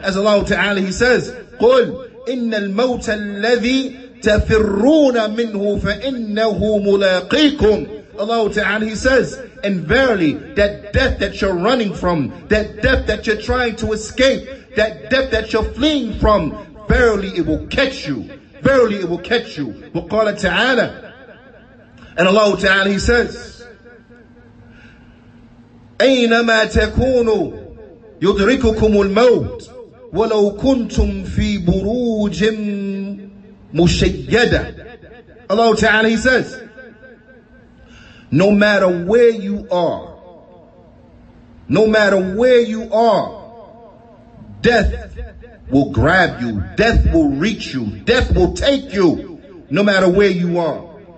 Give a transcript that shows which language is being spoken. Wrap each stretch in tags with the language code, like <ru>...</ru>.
<en>As Allah Ta'ala, He says,</en> <ar>قل إن الموت الذي تفرون منه فإنه ملاقيكم.</ar> <en>Allah Ta'ala, He says, and verily, that death that you're running from, that death that you're trying to escape, that death that you're fleeing from, verily it will catch you. Verily it will catch you.</en> <ar>وقال تعالى.</ar> <en>And Allah Ta'ala, He says,</en> <ar>أينما تكونوا يدرككم الموت ولو كنتم في بروج مشيدة.</ar> <en>Allah Ta'ala, He says, no matter where you are, no matter where you are, death will grab you, death will reach you, death will take you, no matter where you are.</en>